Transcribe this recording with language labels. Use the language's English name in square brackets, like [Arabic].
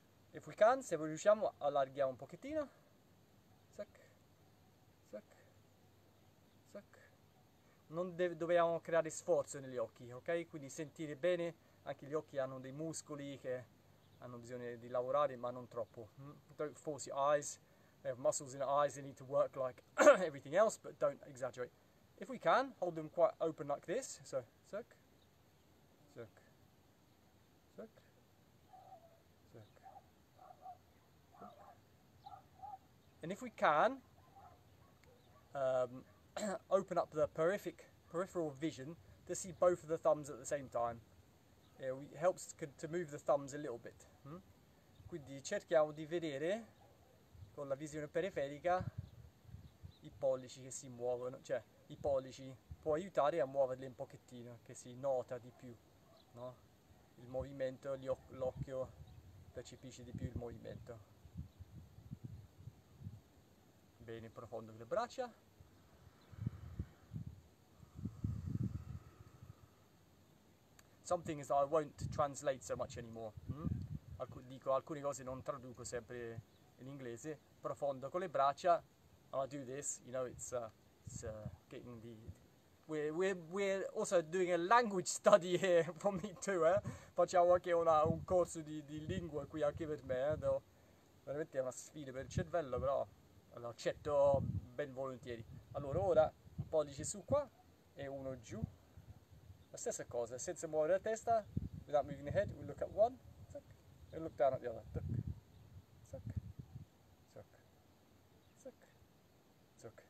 [English] If we can, [Italian] se riusciamo, allarghiamo un pochettino. Suck, suck, suck. Non dobbiamo creare sforzo negli occhi, ok? Quindi sentire bene, anche gli occhi hanno dei muscoli che hanno bisogno di lavorare, ma non troppo. [English] Don't force your eyes. They have muscles in their eyes, they need to work like everything else, but don't exaggerate. If we can, hold them quite open like this. So, suck, suck. And if we can, open up the peripheral vision to see both of the thumbs at the same time. It helps to move the thumbs a little bit. [Italian] Quindi cerchiamo di vedere con la visione periferica i pollici che si muovono, cioè i pollici può aiutare a muoverli un pochettino, che si nota di più, no? il movimento, l'occhio percepisce di più il movimento. Bene, profondo le braccia. [English] Some things I won't translate so much anymore. [Italian] Dico, alcune cose non traduco sempre in inglese. Profondo con le braccia. [English] I'll do this. You know, it's getting the... We're also doing a language study here for me too, eh? [Italian] Facciamo anche un corso di lingua qui anche per me, eh? Devo, veramente è una sfida per il cervello, però l'accetto ben volentieri. Allora, ora, un pollice su qua e uno giù. La stessa cosa, senza muovere la testa, [English] without moving the head, [Italian] we look at one, tuck, and look down at the other, tuck.